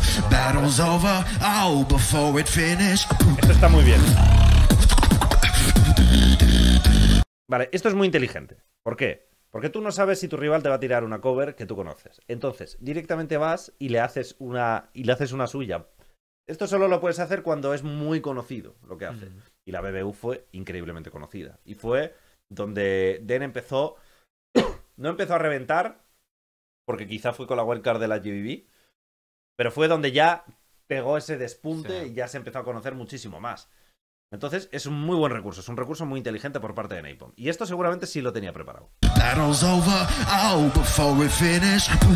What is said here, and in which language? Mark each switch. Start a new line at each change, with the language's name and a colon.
English: Battle's over, oh, before it finished.
Spanish: Esto está muy bien. Vale, esto es muy inteligente. ¿Por qué? Porque tú no sabes si tu rival te va a tirar una cover que tú conoces. Entonces, directamente vas y le haces una suya. Esto solo lo puedes hacer cuando es muy conocido lo que hace. Y la BBU fue increíblemente conocida. Y fue donde Dem empezó. No empezó a reventar, porque quizá fue con la wildcard de la GBB, pero fue donde ya pegó ese despunte, sí, y ya se empezó a conocer muchísimo más. Entonces, es un muy buen recurso, es un recurso muy inteligente por parte de Napalm. Y esto seguramente sí lo tenía preparado.
English: Battle's over, oh, before we finish.